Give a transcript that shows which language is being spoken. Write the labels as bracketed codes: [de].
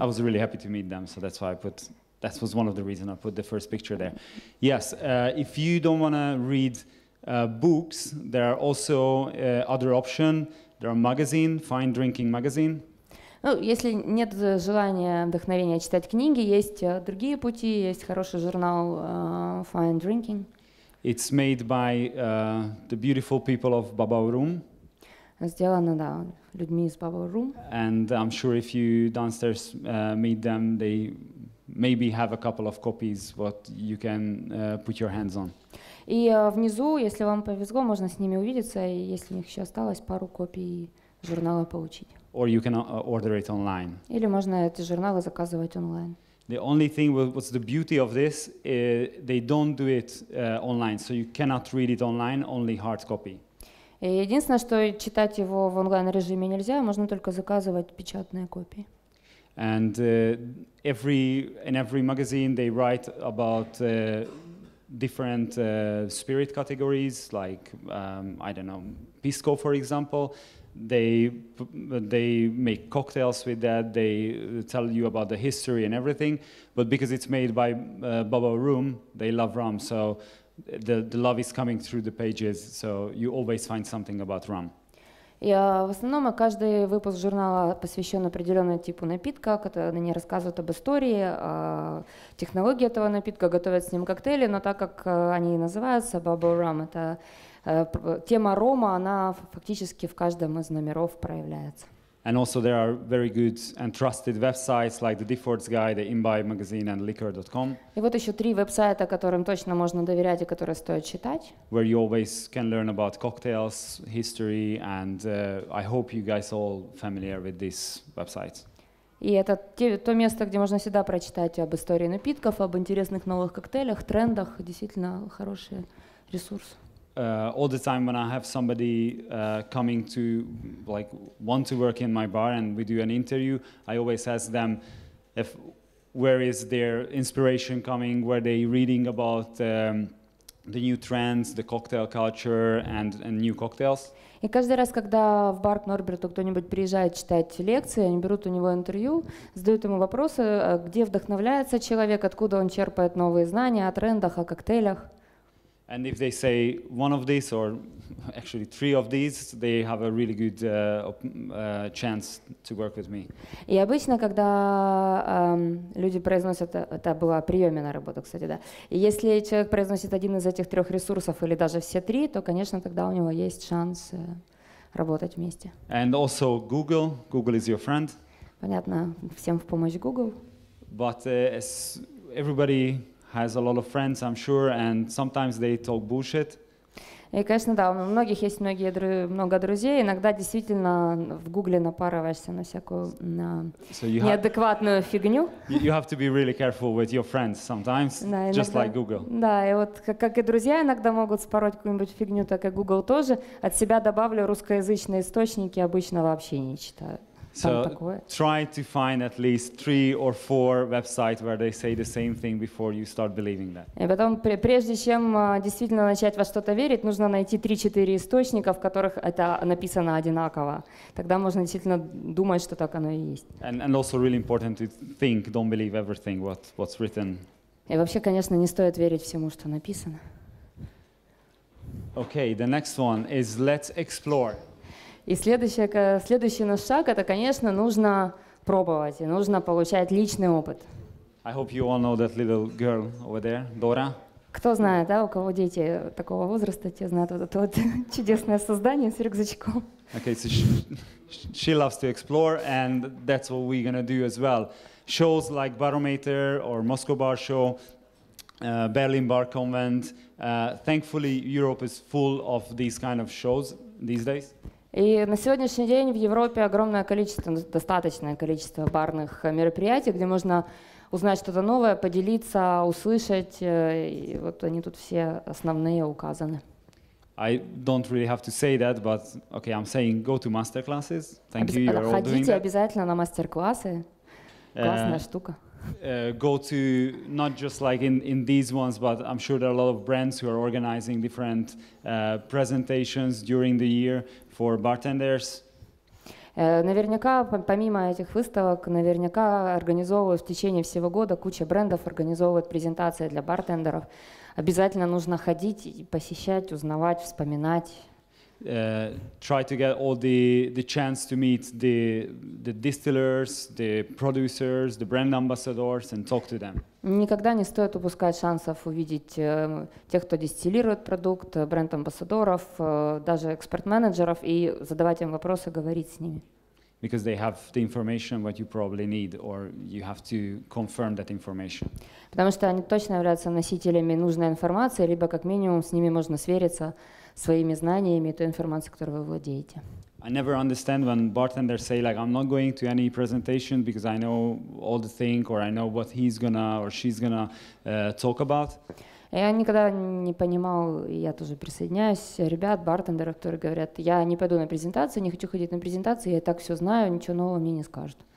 [en] I was really happy to meet them, so that's why I put, that was one of the reasons I put the first picture there. Yes, if you don't want to read books, there are also other option. There are magazine, Fine Drinking Magazine. [ru] Ну, если нет желания, вдохновения читать книги, есть другие пути, есть хороший журнал Fine Drinking. [en] It's made by the beautiful people of Babaurum. [ru] Сделано, да, людьми из Babaurum. [en] And I'm sure if you downstairs meet them, they maybe have a couple of copies what you can put your hands on. [ru] И внизу, если вам повезло, можно с ними увидеться, и если у них еще осталось, пару копий журнала получить. [en] Or you can order it online. [ru] Или можно эти журналы заказывать онлайн. [en] The only thing, what's the beauty of this, they don't do it online, so you cannot read it online, only hard copy. [ru] Единственное, что читать его в онлайн-режиме нельзя, можно только заказывать печатные копии. [en] And in every magazine they write about different spirit categories, like, I don't know, Pisco, for example. They make cocktails with that. They tell you about the history and everything. But because it's made by Babaurum, they love rum. So the love is coming through the pages. So you always find something about rum. [ru] В основном каждый выпуск журнала посвящен определенному типу напитка, который они рассказывают об истории, о технологии этого напитка, готовят с ним коктейли. Но так как они называются Babaurum, это тема рома, она фактически в каждом из номеров проявляется. [en] And also there are very good and trusted websites like the Difford's Guide, the Imbibe Magazine and Liquor.com. [ru] И вот еще три веб-сайта, которым точно можно доверять и которые стоит читать. [en] Where you always can learn about cocktails, history, and I hope you guys all familiar with these websites. [ru] И это то место, где можно всегда прочитать об истории напитков, об интересных новых коктейлях, трендах, действительно хороший ресурс. [en] All the time when I have somebody coming to, like, want to work in my bar and we do an interview, I always ask them if where is their inspiration coming, where they reading about the new trends, the cocktail culture and new cocktails. [ru] И каждый раз, когда в бар к Норберту кто-нибудь приезжает читать лекции, они берут у него интервью, задают ему вопросы, где вдохновляется человек, откуда он черпает новые знания о трендах, о коктейлях. [en] And if they say one of these, or actually three of these, they have a really good chance to work with me. [ru] И обычно, когда люди произносят, это было приеме на работу, кстати, да. И если человек произносит один из этих трех ресурсов или даже все три, то, конечно, тогда у него есть шанс работать вместе. [en] And also Google. Google is your friend. [ru] Понятно, всем в помощь Google. [en] But as everybody has a lot of friends, I'm sure, and sometimes they talk bullshit. [ru] И, конечно, да, у многих есть много друзей. Иногда действительно в Гугле напарываешься на всякую неадекватную фигню. [en] You have to be really careful with your friends sometimes, [ru] да, иногда, [en] just like Google. [ru] Да, и вот как и друзья иногда могут спороть какую-нибудь фигню, так и Google тоже. От себя добавлю русскоязычные источники, обычно вообще не читаю. [en] So try to find at least 3 or 4 websites where they say the same thing before you start believing that. [ru] И потом, прежде чем действительно начать во что-то верить, нужно найти 3-4 источника, в которых это написано одинаково. Тогда можно действительно думать, что так оно и есть. [en] And also really important to think, don't believe everything what's written. [ru] И вообще, конечно, не стоит верить всему, что написано. [en] Okay, the next one is let's explore. [ru] И следующий наш шаг — это, конечно, нужно пробовать, и нужно получать личный опыт. [en] I hope you all know that little girl over there, Dora. [ru] Кто знает, да, у кого дети такого возраста, те знают вот это вот чудесное создание с рюкзачком. [en] Okay, so she loves to explore, and that's what we're gonna do as well. Shows like Barometer or Moscow Bar Show, Berlin Bar Convent. Thankfully, Europe is full of these kind of shows these days. [ru] И на сегодняшний день в Европе огромное количество, достаточное количество барных мероприятий, где можно узнать что-то новое, поделиться, услышать. И вот они тут все основные указаны. [en] I don't really have to say that, but okay, I'm saying go to masterclasses. Thank you, you're all doing that. [ru] Ходите обязательно на мастер-классы. Классная штука. [en] Go to not just like in these ones, but I'm sure there are a lot of brands who are organizing different presentations during the year for bartenders. [ru] Наверняка, помимо этих выставок, наверняка организовывают в течение всего года куча брендов организовывают презентации для бартендеров. Обязательно нужно ходить, посещать, узнавать, вспоминать. [en] Try to get all the chance to meet the distillers, the producers, the brand ambassadors, and talk to them. [ru] Никогда не стоит упускать шансов увидеть тех, кто дистиллирует продукт, бренд амбассадоров, даже эксперт менеджеров, и задавать им вопросы, говорить с ними. [en] Because they have the information what you probably need, or you have to confirm that information. [ru] Потому что они точно являются носителями нужной информации, либо как минимум с ними можно свериться. Своими знаниями и той информацией, которую вы владеете. [en] I never understand when bartenders say like I'm not going to any presentation because I know all the thing or I know what he's gonna or she's gonna talk about. [ru] Я никогда не понимал, и я тоже присоединяюсь, ребят, бартендеров, которые говорят, я не пойду на презентацию, не хочу ходить на презентацию, я и так все знаю, ничего нового мне не скажут.